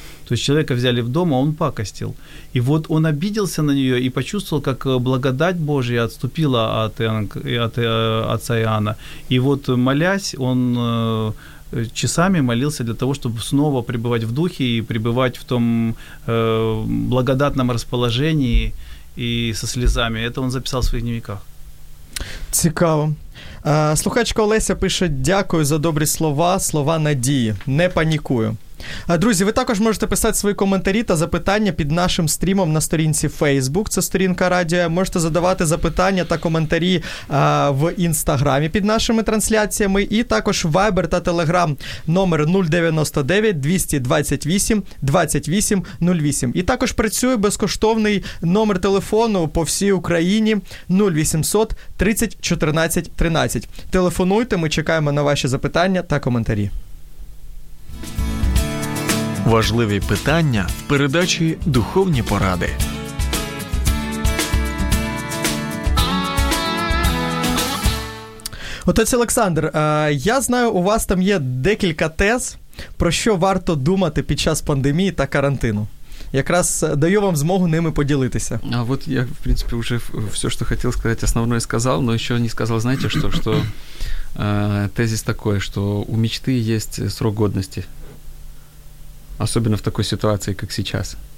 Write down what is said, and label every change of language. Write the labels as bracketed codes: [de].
[ru] То есть человека взяли в дом, а он пакостил. И вот он обиделся на нее и почувствовал, как благодать Божия отступила от отца Иоанна. И вот, молясь, он часами молился для того, чтобы снова пребывать в духе и пребывать в том благодатном расположении и со слезами. Это он записал в своих дневниках. [uk] Цікаво. Слухачка Олеся пише: «Дякую за добрі слова, слова надії. Не панікую». Друзі, ви також можете писати свої коментарі та запитання під нашим стрімом на сторінці Facebook, це сторінка радіо. Можете задавати запитання та коментарі в Інстаграмі під нашими трансляціями. І також Viber та Telegram номер 099-228-2808. І також працює безкоштовний номер телефону по всій Україні 0800-30-14-13. Телефонуйте, ми чекаємо на ваші запитання та коментарі. Важливі питання в передачі «Духовні поради». Отець Олександр, я знаю, у вас там є декілька тез, про що варто думати під час пандемії та карантину. Якраз даю вам змогу ними поділитися. А от я, в принципі, вже все, що хотів сказати, основне сказав, але ще не сказав, знаєте, що тезис такий, що у мечти є срок годності. [ru] Особенно в такой ситуации, как сейчас.